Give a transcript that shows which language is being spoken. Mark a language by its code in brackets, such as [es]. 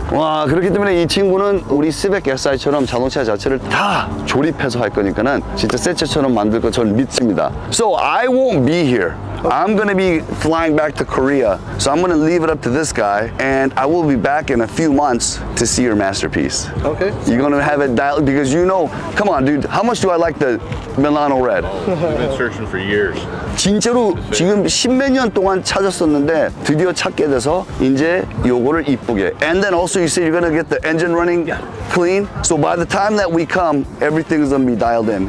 [ko] 와 그렇기 때문에 이 친구는 우리 Civic SI처럼 자동차 자체를 다 조립해서 할 거니까는 진짜 새 차처럼 만들 거 저는 믿습니다 [en] so I won't be here Okay. I'm gonna be flying back to Korea, so I'm gonna leave it up to this guy, and I will be back in a few months to see your masterpiece. Okay. You're gonna have it dialed, because you know, come on, dude, how much do I like the Milano Red? We've been searching for years. [ko] 진짜로 지금 십몇 년 동안 찾았었는데 드디어 찾게 돼서 이제 요거를 이쁘게. [en] And then also you said you're gonna get the engine running yeah. clean. So by the time that we come, everything's gonna be dialed in.